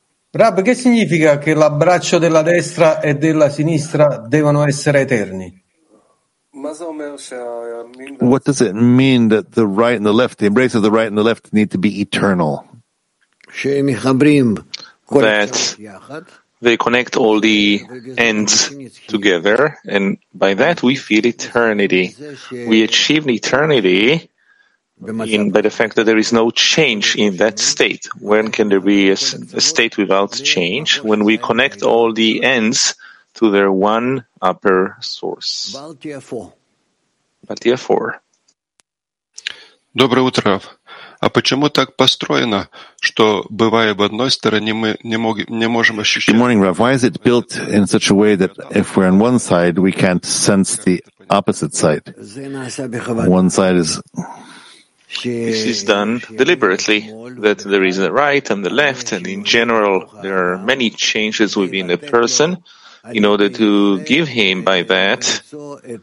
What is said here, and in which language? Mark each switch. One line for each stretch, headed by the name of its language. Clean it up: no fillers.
Italian: Rab, che significa che l'abbraccio della destra e della sinistra devono essere eterni?
English: What does it mean that the right and the left, the embrace of the right and the left need to be eternal? That they connect all the ends together, and by that we feel eternity. We achieve eternity in, by the fact that there is no change in that state. When can there be a state without change? When we connect all the ends to their one upper source.
Russian: Батія 4. Доброе утро. А почему так построено, что бывая в одной стороне мы не можем ощущать?
English: Good morning, Rav. Why is it built in such a way that if we're on one side, we can't sense the opposite side? One side is... This is done deliberately, that there is a right and the left, and in general, there are many changes within a person, in order to give him by that, to